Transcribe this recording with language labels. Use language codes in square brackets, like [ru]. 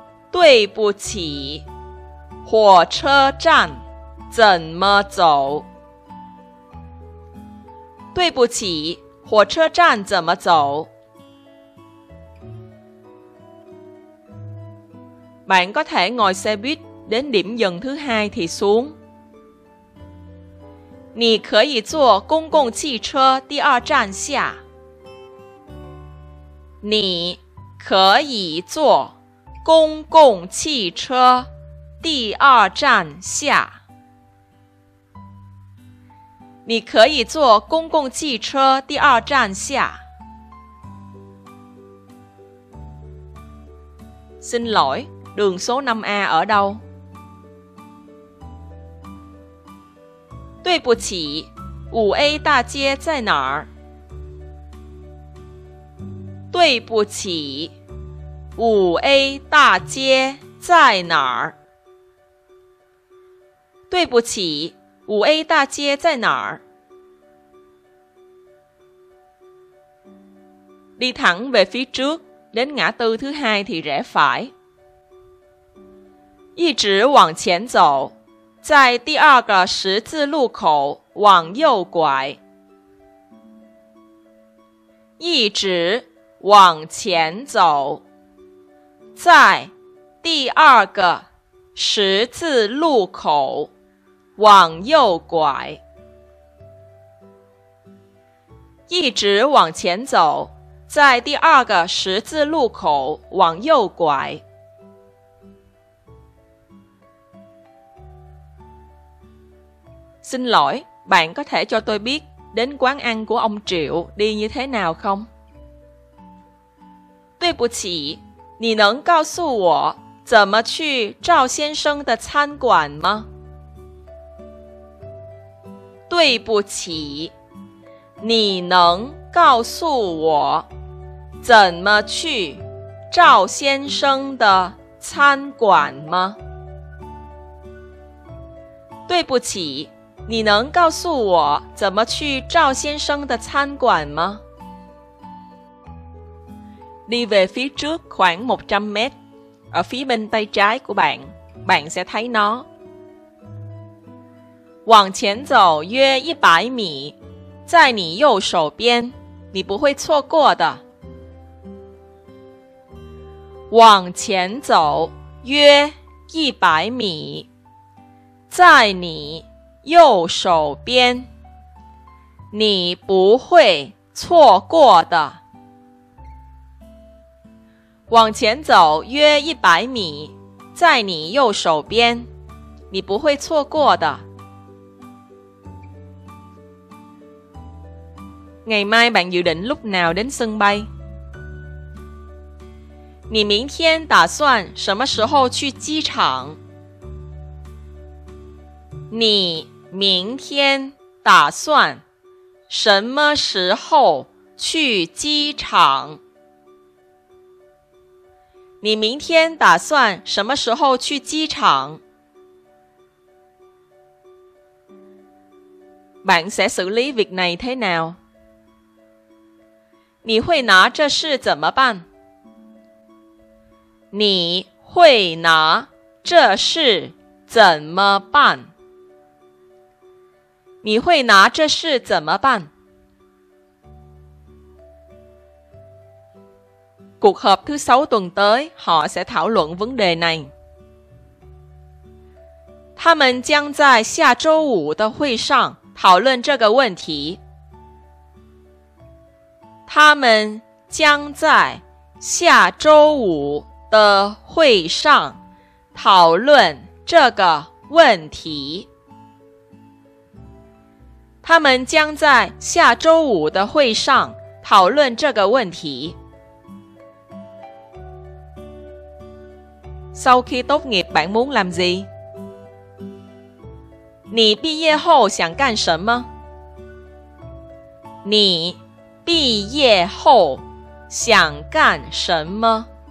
[zh] 对不起,火车站怎么走? 对不起,火车站怎么走? [vi] Bạn có thể ngồi xe buýt đến điểm dừng thứ hai thì xuống. [zh] 你可以坐公共汽车第二站下. 你可以坐公共汽车第二站下. 你可以坐公共汽车第二站下。 [vi] Xin lỗi, đường số 5A ở đâu? [zh] 对不起, 5A 大街在哪儿? 对不起, 5A 大街在哪儿? 对不起, 5A 大街在哪儿? 你 [vi] thẳng về phía trước, đến ngã tư thứ hai thì rẽ phải. [zh] 一直往前走。在第二个十字路口往右拐，一直往前走，在第二个十字路口往右拐，一直往前走，在第二个十字路口往右拐。 [vi] Xin lỗi, bạn có thể cho tôi biết đến quán ăn của ông Triệu đi như thế nào không? [zh] 对不起，你能告诉我怎么去赵先生的餐馆吗？对不起，你能告诉我怎么去赵先生的餐馆吗？对不起。你能告诉我怎么去赵先生的餐馆吗? [vi] Đi về phía trước khoảng 100 mét, ở phía bên tay trái của bạn, bạn sẽ thấy nó. [zh] 往前走约100米, 在你右手边, 你不会错过的。往前走约100米, 在你右手边，你不会错过的。往前走约100米，在你右手边，你不会错过的。 [vi] Ngày mai bạn dự định lúc nào đến sân bay? [zh] 你明天打算什么时候去机场？你明天打算什么时候去机场？你明天打算什么时候去机场？ [vi] Bạn sẽ xử lý việc này thế nào? [zh] 你会拿这事怎么办？你会拿这事怎么办？你会拿这事怎么办? [vi] Cuộc họp thứ 6 tuần tới, họ sẽ thảo luận vấn đề này. [zh] 他们将在下周五的会上讨论这个问题。他们将在下周五的会上讨论这个问题。他们将在下周五的会上讨论这个问题。 [vi] Sau khi tốt nghiệp, bạn muốn làm gì? [zh] 你毕业后想干什么？你毕业后想干什么？